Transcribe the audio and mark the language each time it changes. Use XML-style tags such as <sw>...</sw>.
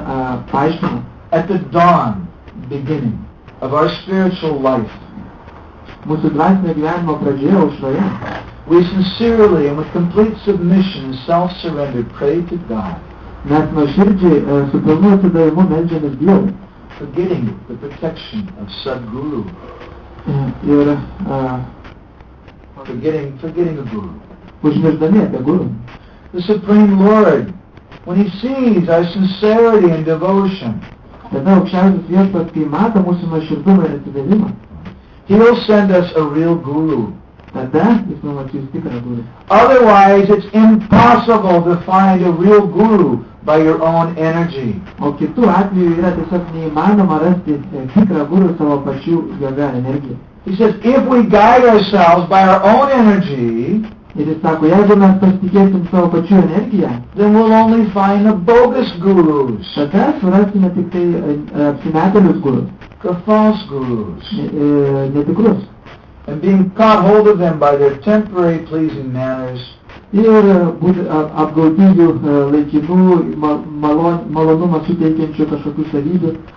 <en>At the dawn, beginning of our spiritual life, we sincerely and with complete submission and self-surrender pray to God.</en> <lt>Mes nuoširdžiai su pilnu atsidavimu meldžiamės Dievui.</lt> <en>Forgetting the protection of Sadguru.</en> <lt>Ir</lt> <en>forgetting the Guru.</en> <lt>Užmiršdami apie Guru.</lt> <en>The Supreme Lord, when he sees our sincerity and devotion,</en> <lt>tada aukščiausias viešpats, kai mato mūsų nuoširdumą ir atsidavimą,</lt> <en>he will send us a real Guru.</en> <lt>Tada jis mums atsiųs tikrą guru.</lt> <en>Otherwise it's impossible to find a real guru by your own energy.</en> <lt>O kitu atveju yra tiesiog neįmanoma rasti tikrą guru savo pačių jėga energija.</lt> <en>He says, if we guide ourselves by our own energy,</en> <lt>ir jis sako, jeigu mes pasitikėsim savo pačių energiją,</lt> <en>then we'll only find a bogus gurus.</en> <lt>Tada surasime tik tai apsimetėlius gurus.</lt> <en>The false gurus.</en> <lt>Netikrus.</lt> <en>And being caught hold of them by their temporary pleasing manners,</en> <lt>ir būti apgauti jų laikinų malonumą suteikiančių kažkokių savybių.</lt>